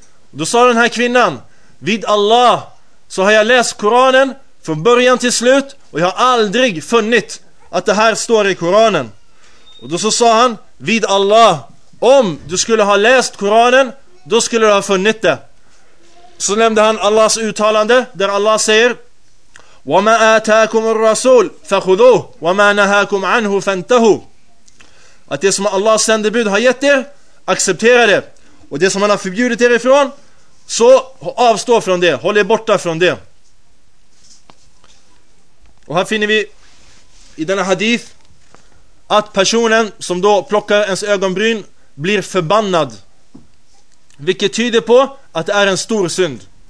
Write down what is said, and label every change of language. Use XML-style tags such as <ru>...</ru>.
<sv>Då sa den här kvinnan: vid Allah så har jag läst Koranen från början till slut, och jag har aldrig funnit att det här står i Koranen. Och då så sa han: vid Allah, om du skulle ha läst Koranen, då skulle du ha funnit det. Så nämnde han Allahs uttalande där Allah säger:</sv> <ar>وما آتاكم الرسول فخذوه وما نهاكم عنه فانتهوا.</ar> <sv>Att det som Allahs sända bud har gett er, acceptera det. Och det som han har förbjudit er ifrån, så avstå från det, håll er borta från det. Och här finner vi i denna hadith att personen som då plockar ens ögonbryn blir förbannad, vilket tyder på att det är en stor synd.</sv>